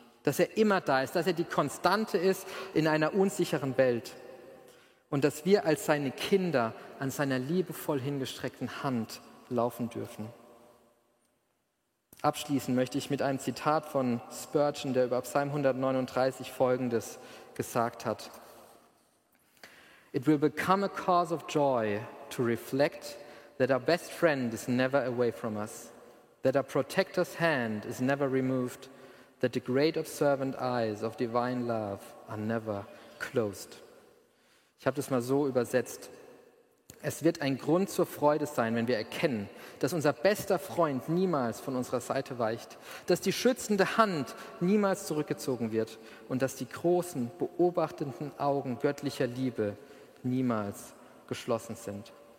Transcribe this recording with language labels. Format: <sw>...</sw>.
<de>Dass er immer da ist, dass er die Konstante ist in einer unsicheren Welt. Und dass wir als seine Kinder an seiner liebevoll hingestreckten Hand laufen dürfen. Abschließen möchte ich mit einem Zitat von Spurgeon, der über Psalm 139 folgendes gesagt hat.</de> <en>It will become a cause of joy to reflect that our best friend is never away from us, that our protector's hand is never removed, that the great observant eyes of divine love are never closed.</en> <de>Ich habe das mal so übersetzt. Es wird ein Grund zur Freude sein, wenn wir erkennen, dass unser bester Freund niemals von unserer Seite weicht, dass die schützende Hand niemals zurückgezogen wird und dass die großen, beobachtenden Augen göttlicher Liebe niemals geschlossen sind.</de>